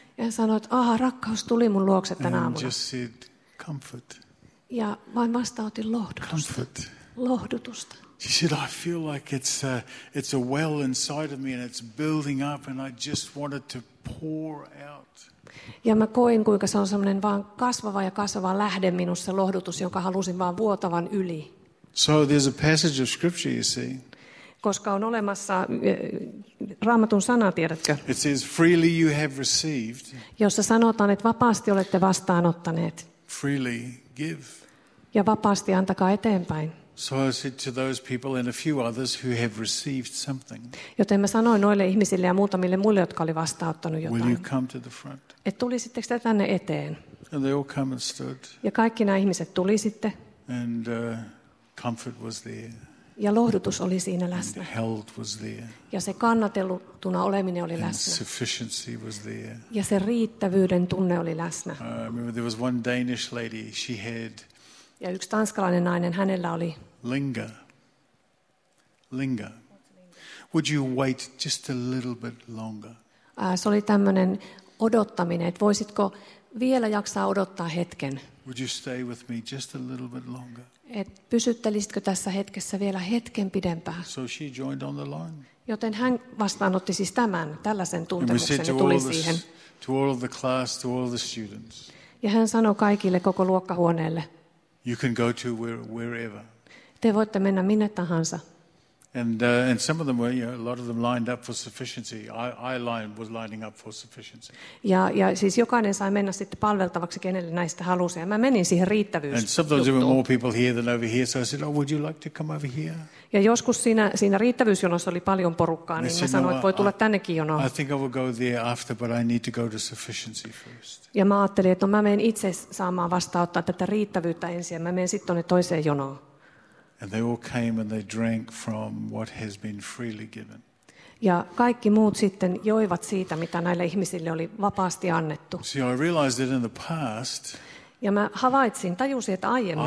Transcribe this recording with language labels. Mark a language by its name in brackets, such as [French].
[Finnish] Ja sanoi, että aha, rakkaus tuli mun luokse tänä aamuna. [English] And just said, "Comfort." [Finnish] Ja vain vastautin lohdutusta. [English] Comfort. [Finnish] Lohdutusta. [English] She said, "I feel like it's a well inside of me and it's building up and I just wanted to pour out." [Finnish] Ja mä koin, kuinka se on semmoinen vaan kasvava ja kasvava lähde minussa lohdutus, jonka halusin vaan vuotavan yli. [English] So there's a passage of scripture, you see. [Finnish] Koska on olemassa Raamatun sana, tiedätkö? [English] It says, "Freely you have received." [Finnish] Jossa sanotaan, että vapaasti olette vastaanottaneet. [English] Freely give. [Finnish] Ja vapaasti antakaa eteenpäin. [English] So I said to those people and a few others who have received something. [Finnish] Joten mä sanoin noille ihmisille ja muutamille muille, jotka oli vastaanottanut jotain. [English] Will you come to the front? [Finnish] Et tulisitteko te tänne eteen? [English] And they all came and stood. [Finnish] Ja kaikki nämä ihmiset tuli sitten. [English] And comfort was there. [Finnish] Ja lohdutus oli siinä läsnä. [English] And held was there. [Finnish] Ja se kannateltuna oleminen oli läsnä. [English] And sufficiency was there. [Finnish] Ja se riittävyyden tunne oli läsnä. [English] Remember there was one Danish lady, she had. [Finnish] Ja yksi tanskalainen nainen, hänellä oli [English] linger. Linger. Would you wait just a little bit longer? [Finnish] Se oli tämmöinen odottaminen, että voisitko vielä jaksaa odottaa hetken? [English] Would you stay with me just a little bit longer? [Finnish] Et pysyttelisitkö tässä hetkessä vielä hetken pidempään? [English] So she joined on the line. [Finnish] Joten hän vastaanotti siis tämän, tällaisen tuntemuksen, ja tuli siihen. [English] To all of the class, to all the students. [Finnish] Ja hän sanoi kaikille koko luokkahuoneelle. [English] You can go to wherever. [Finnish] Te voitte mennä minne tahansa. [English] And some of them were, you know, a lot of them lined up for sufficiency. I was lining up for sufficiency. [Finnish] Ja siis jokainen sai mennä sitten palveltavaksi kenelle näistä halusi. Ja mä menin siihen riittävyys. [English] And sometimes there were more people here than over here, so I said, "Oh, would you like to come over here?" [Finnish] Ja joskus siinä riittävyysjonossa oli paljon porukkaa, niin mä sanoin, että voi tulla tännekin jonoon. [English] I think I will go there after, but I need to go to sufficiency first. [Finnish] Ja mä ajattelin, että mä menen itse saamaan vastaanottaa tätä riittävyyttä ensin, ja mä menen sitten tuonne toiseen jonoon. [English] And they all came and they drank from what has been freely given. [Finnish] Ja kaikki muut sitten joivat siitä, mitä näille ihmisille oli vapaasti annettu. [English] See, I realized that in the past. [Finnish] Ja mä havaitsin, tajusin, että aiemmin.